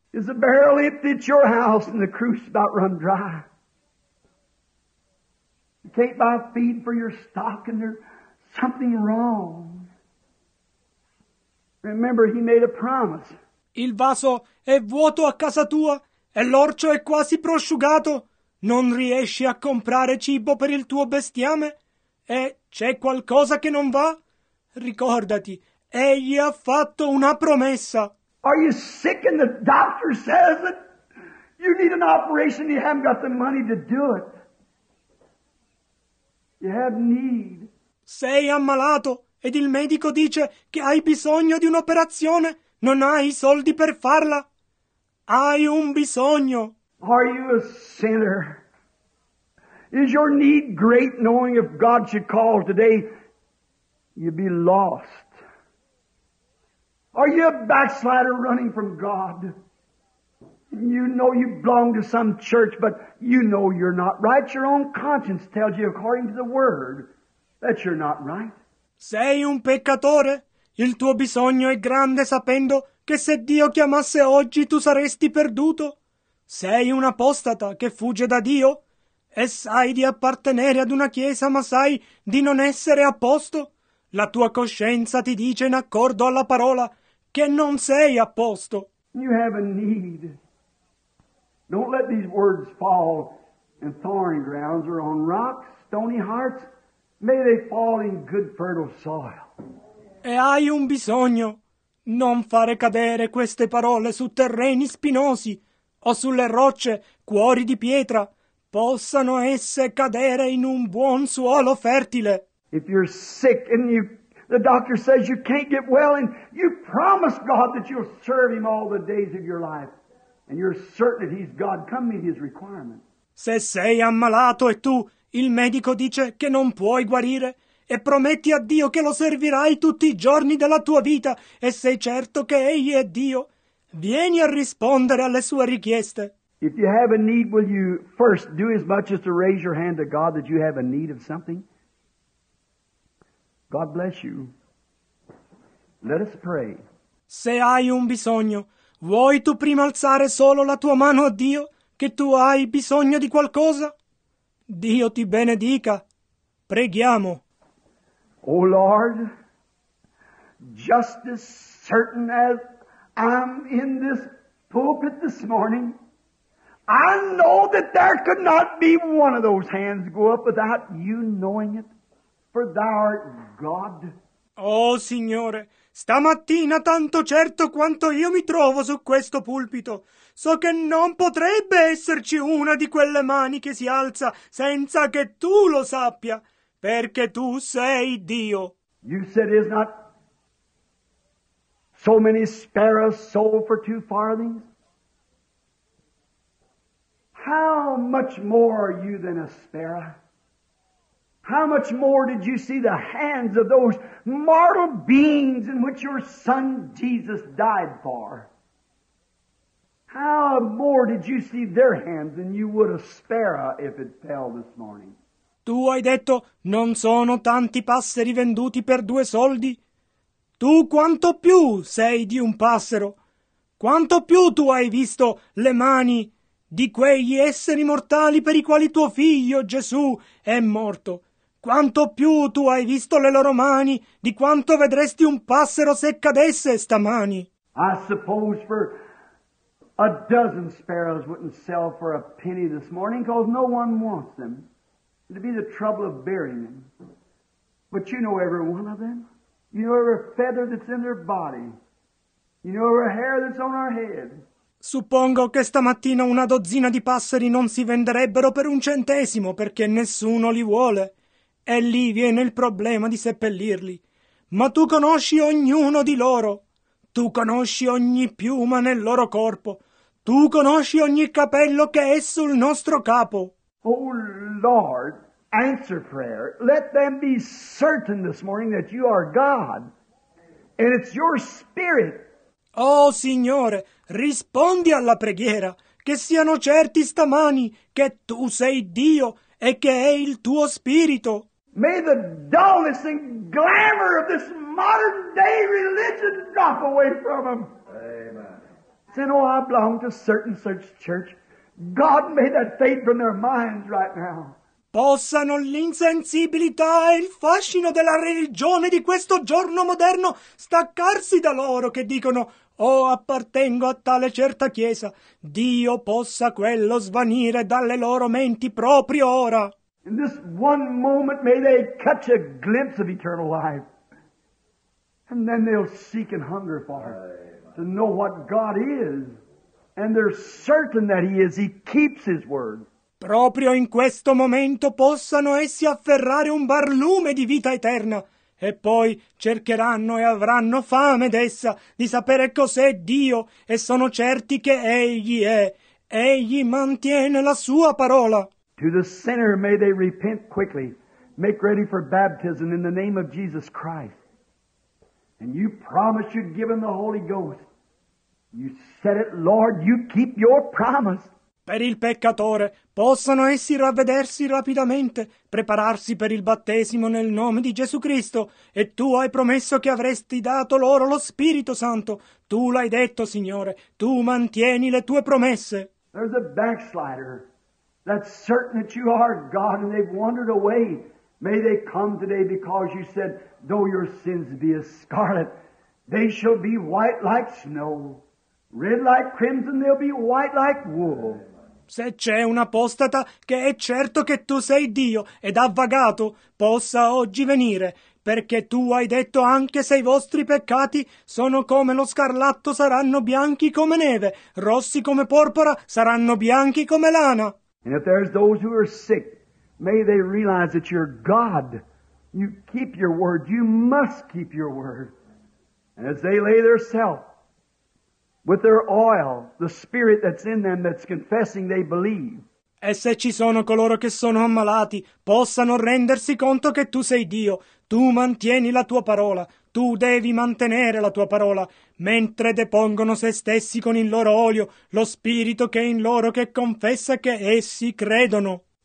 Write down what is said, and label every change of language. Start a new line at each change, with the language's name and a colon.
English: Is the barrel empty at your house and the crew's about run dry? You can't buy feed for your stock and there's something wrong. Remember, he made a promise.
Italian: Il vaso è vuoto a casa tua e l'orcio è quasi prosciugato. Non riesci a comprare cibo per il tuo bestiame? E c'è qualcosa che non va? Ricordati, egli ha fatto una promessa.
English: Are you sick and the doctor says that you need an operation and you haven't got the money to do it? You have need.
Italian: Sei ammalato ed il medico dice che hai bisogno di un'operazione. Non hai i soldi per farla. Hai un bisogno.
English: Are you a sinner? Is your need great knowing if God should call today? You'd be lost. Are you a backslider running from God? You know you belong to some church, but you know you're not right. Your own conscience tells you, according to the Word, that you're not right.
Italian: Sei un peccatore. Il tuo bisogno è grande sapendo che se Dio chiamasse oggi tu saresti perduto. Sei un apostata che fugge da Dio e sai di appartenere ad una chiesa, ma sai di non essere a posto. La tua coscienza ti dice in accordo alla parola che non sei a posto.
English: You have a need. Don't let these words fall in thorny grounds or on rocks, stony hearts. May they fall in good fertile soil.
Italian: E hai un bisogno. Non fare cadere queste parole su terreni spinosi o sulle rocce, cuori di pietra. Possano esse cadere in un buon suolo fertile.
English: If you're sick and the doctor says you can't get well and you promise God that you'll serve him all the days of your life and you're certain that he's God, come meet his requirement.
Italian: Se sei ammalato e tu, il medico dice che non puoi guarire e prometti a Dio che lo servirai tutti i giorni della tua vita e sei certo che egli è Dio, vieni a rispondere alle sue richieste.
English: If you have a need, will you first do as much as to raise your hand to God that you have a need of something? God bless you. Let us pray.
Italian: Se hai un bisogno, vuoi tu prima alzare solo la tua mano a Dio, che tu hai bisogno di qualcosa? Dio ti benedica. Preghiamo.
English: O Lord, just as certain as I'm in this pulpit this morning, I know that there could not be one of those hands go up without you knowing it. For thou art God.
Italian: Oh, Signore, stamattina, tanto certo quanto io mi trovo su questo pulpito, so che non potrebbe esserci una di quelle mani che si alza senza che tu lo sappia, perché tu sei Dio.
English: You said is not so many sparrows sold for 2 farthings? How much more are you than a sparrow? How much more did you see the hands of those mortal beings in which your son Jesus died for? How more did you see their hands than you would a sparrow if it fell this morning?
Italian: Tu hai detto, non sono tanti passeri venduti per 2 soldi? Tu quanto più sei di un passero? Quanto più tu hai visto le mani di quegli esseri mortali per i quali tuo figlio Gesù è morto? Quanto più tu hai visto le loro mani di quanto vedresti un passero se cadesse stamani?
English: I suppose for a dozen sparrows wouldn't sell for a penny this morning, because no one wants them. It'd be the trouble of burying them. But you know every one of them. You know every feather that's in their body. You know every hair that's on our head.
Italian: Suppongo che stamattina una dozzina di passeri non si venderebbero per 1 centesimo, perché nessuno li vuole. E lì viene il problema di seppellirli. Ma tu conosci ognuno di loro. Tu conosci ogni piuma nel loro corpo. Tu conosci ogni capello che è sul nostro capo.
English: Oh Lord, answer prayer. Let them be certain this morning that you are God. And it's your spirit.
Italian: Oh Signore, rispondi alla preghiera. Che siano certi stamani che tu sei Dio e che è il tuo spirito.
English: May the dullness and glamour of this modern day religion drop away from them. Amen. Say, oh, I belong to certain such church. God, may that fade from their minds right now.
Italian: Possano l'insensibilità e il fascino della religione di questo giorno moderno staccarsi da loro che dicono, oh, appartengo a tale certa chiesa. Dio, possa quello svanire dalle loro menti proprio ora.
English: In this one moment may they catch a glimpse of eternal life, and then they'll seek and hunger for it, to know what God is, and they're certain that He is, He keeps His word.
Italian: Proprio in questo momento possano essi afferrare un barlume di vita eterna, e poi cercheranno e avranno fame d'essa, di sapere cos'è Dio, e sono certi che Egli è, Egli mantiene la Sua parola.
English: To the sinner may they repent quickly, make ready for baptism in the name of Jesus Christ. And you promised you'd give them the Holy Ghost. You said it, Lord, you keep your promise.
Italian: Per il peccatore, possano essi ravvedersi rapidamente, prepararsi per il battesimo nel nome di Gesù Cristo, e tu hai promesso che avresti dato loro lo Spirito Santo. Tu l'hai detto, Signore, tu mantieni le tue promesse.
English: There's a backslider. That's certain that you are God, and they've wandered away. May they come today, because you said, though your sins be as scarlet, they shall be white like snow. Red like crimson, they'll be white like wool.
Italian: Se c'è un apostata che è certo che tu sei Dio ed ha vagato, possa oggi venire, perché tu hai detto anche se i vostri peccati sono come lo scarlatto, saranno bianchi come neve, rossi come porpora, saranno bianchi come lana.
English: And if there's those who are sick, may they realize that you're God. You keep your word. You must keep your word. And as they lay their self with their oil, the spirit that's in them that's confessing they believe.
Italian: E se ci sono coloro che sono ammalati, possano rendersi conto che tu sei Dio. Tu mantieni la tua parola. Tu devi mantenere la tua parola, mentre depongono se stessi con il loro olio, lo spirito che è in loro che confessa che essi credono.